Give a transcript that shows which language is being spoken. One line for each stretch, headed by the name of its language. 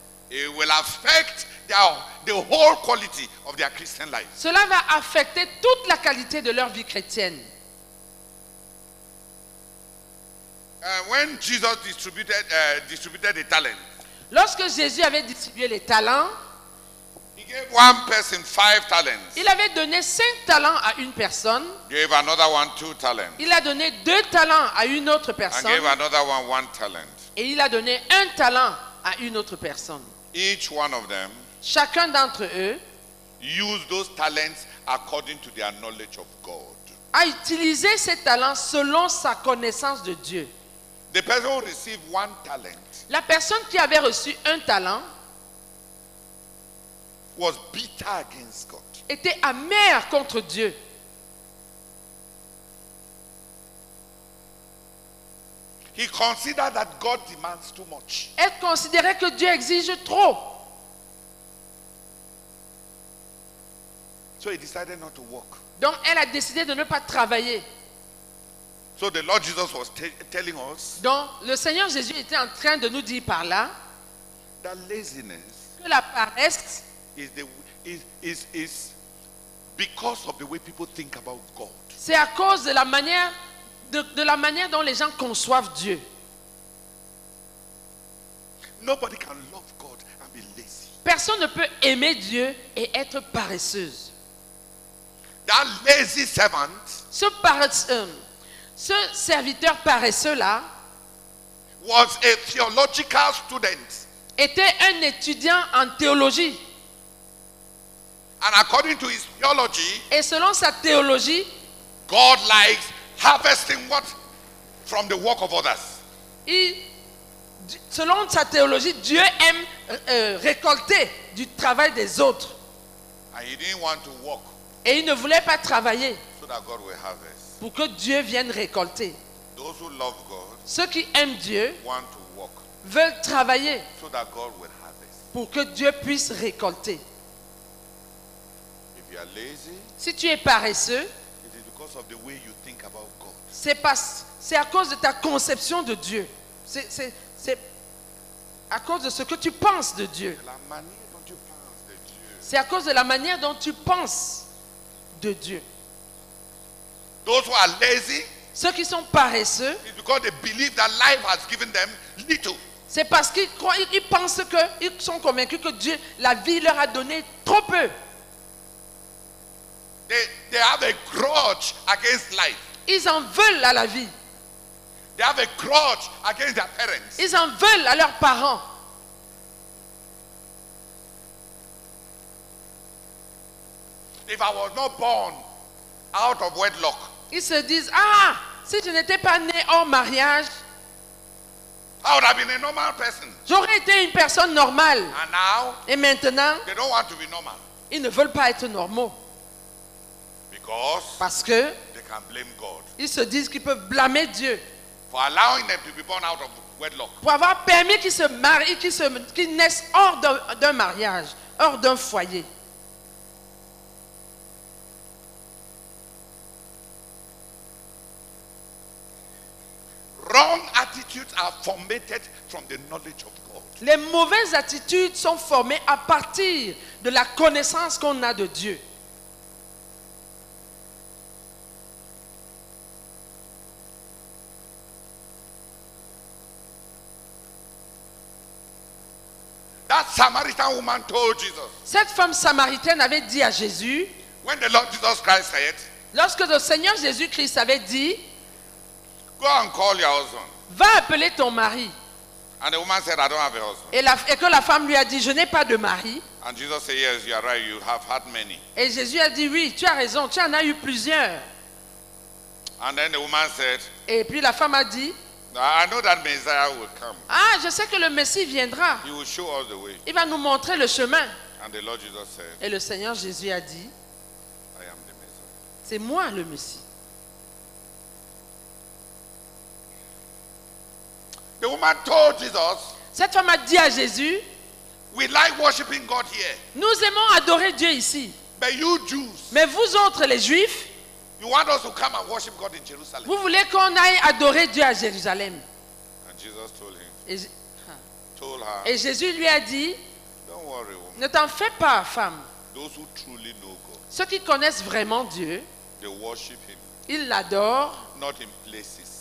English: It will affect the whole quality of their Christian life.
French: Cela va affecter toute la qualité de leur vie chrétienne.
English: When Jesus distributed the talent,
French: lorsque Jésus avait distribué les talents,
English: he gave one person five talents.
French: Il avait donné 5 talents à une personne.
English: Gave another one 2 talents.
French: Il a donné 2 talents à une autre personne.
English: And gave another one 1 talent.
French: Et il a donné 1 talent à une autre personne.
English: Each one of them.
French: Chacun d'entre eux
English: use those talents according to their knowledge of God.
French: A utilisé ces talents selon sa connaissance de Dieu.
English: The person who received one talent,
French: la personne qui avait reçu un talent
English: was bitter against God.
French: Était amère contre Dieu.
English: He considered that God demands too much.
French: Elle considérait que Dieu exige trop.
English: So he decided not to work.
French: Donc elle a décidé de ne pas travailler.
English: So the Lord Jesus was telling us.
French: Donc le Seigneur Jésus était en train de nous dire par là.
English: That laziness.
French: Que la paresse.
English: Is because of the way people think about God.
French: C'est à cause de la manière dont les gens conçoivent Dieu.
English: Nobody can love God and be lazy.
French: Personne ne peut aimer Dieu et être paresseuse.
English: That lazy servant,
French: ce serviteur paresseux là,
English: was a theological student,
French: était un étudiant en théologie.
English: And according to his theology,
French: et selon sa théologie,
English: God likes harvesting what from the work of others.
French: Et selon sa théologie, Dieu aime récolter du travail des autres.
English: And he didn't want to work.
French: Et il ne voulait pas travailler
English: so that God will harvest.
French: Pour que Dieu vienne récolter.
English: Those who love God,
French: ceux qui aiment Dieu
English: want to work,
French: veulent travailler
English: so that God will harvest.
French: Pour que Dieu puisse récolter.
English: If you are lazy,
French: si tu es paresseux,
English: it is because of the way you think about God.
French: C'est à cause de ta conception de Dieu. C'est à cause de ce que tu penses de Dieu. La manière dont tu penses de Dieu. C'est à cause de la manière dont tu penses de Dieu.
English: Those who are lazy,
French: ceux qui sont paresseux,
English: it's because they believe that life has given them little.
French: C'est parce qu'ils croient, ils pensent que ils sont convaincus que Dieu, la vie leur a donné trop peu.
English: They have a grudge against life.
French: Ils en veulent à la vie.
English: They have a grudge against their parents.
French: Ils en veulent à leurs parents.
English: If I was not born out of wedlock,
French: ils se disent, ah, si je n'étais pas né hors mariage,
English: I would have been a normal person.
French: J'aurais été une personne normale.
English: And now,
French: et maintenant,
English: they don't want to be normal.
French: Ils ne veulent pas être normaux.
English: Because
French: parce que
English: they can blame God.
French: Ils se disent qu'ils peuvent blâmer Dieu.
English: For allowing them to be born out of wedlock.
French: Pour avoir permis qu'ils se marient, qu'ils naissent hors d'un mariage, hors d'un foyer.
English: Wrong attitudes are formulated from the knowledge of God.
French: Les mauvaises attitudes sont formées à partir de la connaissance qu'on a de Dieu.
English: That Samaritan woman told Jesus.
French: Cette femme samaritaine avait dit à Jésus.
English: When the Lord Jesus Christ said,
French: lorsque le Seigneur Jésus-Christ avait dit,
English: go and call your husband.
French: Va appeler ton mari.
English: And the woman said, I don't have a husband.
French: Et que la femme lui a dit, je n'ai pas de mari.
English: And Jesus said, yes, you are right, you have had many.
French: Et Jésus a dit, oui, tu as raison, tu en as eu plusieurs.
English: And then the woman said,
French: et puis la femme a dit,
English: I know that Messiah will come.
French: Ah, je sais que le Messie viendra.
English: He will show us the way.
French: Il va nous montrer le chemin.
English: And the Lord Jesus said,
French: et le Seigneur Jésus a dit,
English: I am the Messiah.
French: C'est moi le Messie.
English: The woman told Jesus,
French: cette femme a dit à Jésus,
English: we like worshiping God here.
French: Nous aimons adorer Dieu ici.
English: But you Jews,
French: mais vous autres, les Juifs,
English: you want us to come and worship God in Jerusalem.
French: Vous voulez qu'on aille adorer Dieu à Jérusalem.
English: And Jesus told him,
French: et Jésus lui a dit,
English: don't worry, woman.
French: Ne t'en fais pas, femme.
English: Those who truly know God,
French: ceux qui connaissent vraiment Dieu,
English: they worship him.
French: Ils l'adorent.
English: Not in places,